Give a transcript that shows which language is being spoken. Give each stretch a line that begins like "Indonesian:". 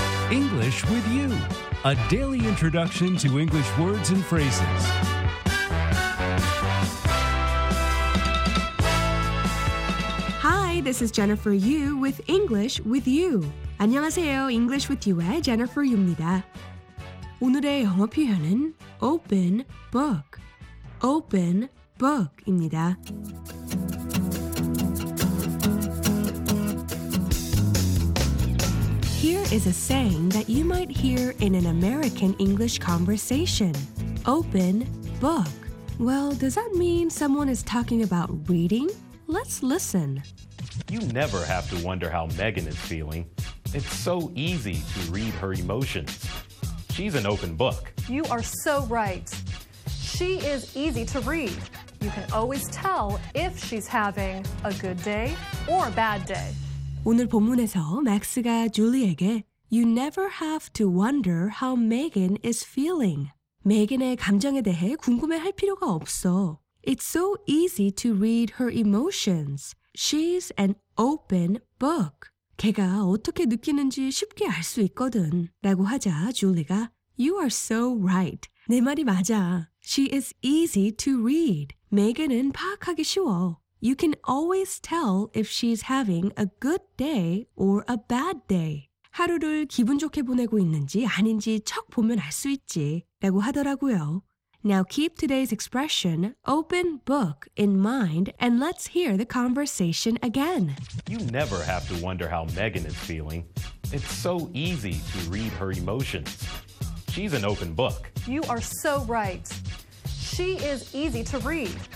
English: English with you, a daily introduction to English words and phrases. Hi, this is Jennifer Yu with English with you.
Korean: 안녕하세요, English with you의 Jennifer Yu입니다. 오늘의 영어 표현은 open book, open book입니다.
English: 'Is a saying that you might hear in an American English conversation. Open book. Well, does that mean someone is talking about reading? Let's listen. You never have to wonder how Megan is feeling. It's so easy to read her emotions. She's an open book. You are so right. She is easy to read. You can always tell if she's having a good day or a bad day.
Korean: 오늘 본문에서 맥스가 줄리에게
English: You never have to wonder how Megan is feeling.
Korean: Megan의 감정에 대해 궁금해할 필요가 없어.
English: It's so easy to read her emotions. She's an open book.
Korean: 걔가 어떻게 느끼는지 쉽게 알 수 있거든. 라고 하자 줄리가
English: You are so right.
Korean: 내 말이 맞아.
English: She is easy to read.
Korean: Megan은 파악하기 쉬워.
English: You can always tell if she's having a good day or a bad day.
Korean: 하루를 기분 좋게 보내고 있는지 아닌지 척 보면 알 수 있지 라고 하더라고요.
English: Now keep today's expression, open book, in mind and let's hear the conversation again. You never have to wonder how Megan is feeling. It's so easy to read her emotions. She's an open book. You are so right. She is easy to read.